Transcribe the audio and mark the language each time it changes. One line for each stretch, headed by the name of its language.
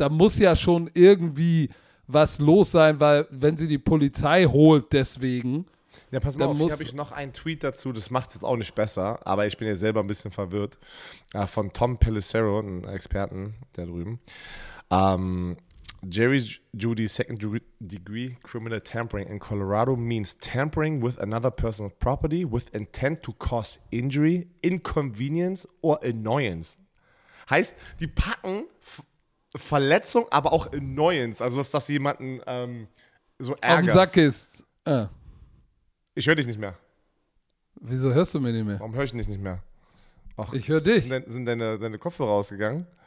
German: Da muss ja schon irgendwie was los sein, weil wenn sie die Polizei holt deswegen. Ja, pass mal auf, hier habe ich noch einen Tweet dazu. Das macht es jetzt auch nicht besser, aber ich bin ja selber ein bisschen verwirrt. Von Tom Pelissero, einem Experten da drüben.
English: Jerry Judy's second degree criminal tampering in Colorado means tampering with another person's property with intent to cause injury, inconvenience or annoyance.
German: Heißt, die packen Verletzung, aber auch Annoyance. Also, dass jemanden so ärgert. Auf den Sack ist. Ich höre dich nicht mehr. Wieso hörst du mich nicht mehr? Warum höre ich dich nicht mehr? Ach, ich höre dich. Sind deine Kopfhörer rausgegangen?